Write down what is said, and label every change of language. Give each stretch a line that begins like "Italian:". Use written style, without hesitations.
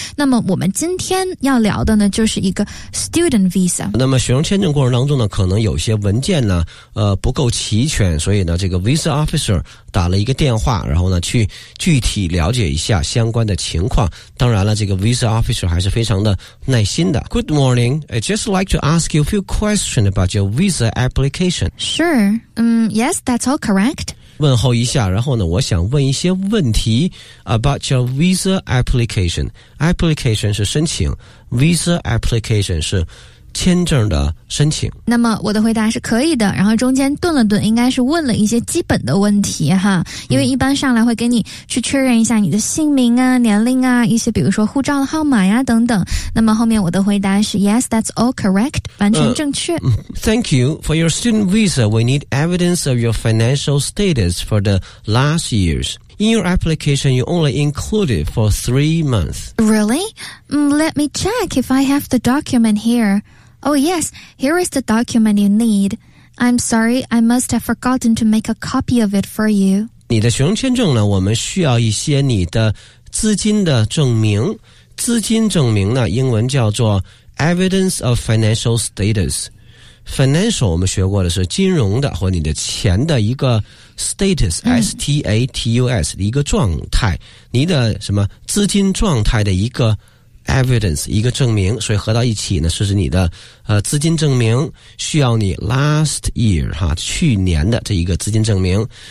Chinese: 那么我们今天要聊的呢就是一个 student visa。那么学生签证过程当中呢，可能有些文件呢不够齐全，所以呢这个 visa officer 打了一个电话，然后呢去具体了解一下相关的情况。当然了，这个 visa officer 还是非常的耐心的。
English: Good morning, I'd just like to ask you a few questions about your visa application. Sure. Yes, that's all correct.
Chinese: 问候一下，然后呢，我想问一些问题
English: about your visa application.
Chinese: Application 是申请， visa application 是签证的申请。那么我的回答是可以的，然后中间顿了顿，应该是问了一些基本的问题哈，因为一般上来会给你去确认一下你的姓名啊、年龄啊，一些比如说护照的号码呀、等等。那么后面我的回答是
English: Yes, that's all correct,
Chinese: 完全正确。
English: Thank you. For your student visa, we need evidence of your financial status for the last years. In your application, you only include it for 3 months. Really? Let me check if I have the document here. Oh yes, here is the document you need. I'm sorry, I must have forgotten to make a copy of it for you.
Chinese: 你的学生签证呢，我们需要一些你的资金的证明。资金证明呢，英文叫做 Evidence of Financial Status。 Financial 我们学过的是金融的，或你的钱的一个 status、S-T-A-T-U-S 的一个状态，你的什么资金状态的一个evidence 一个证明，所以合到一起呢，是指你的资金证明，需要你 last year 哈去年的这一个资金证明。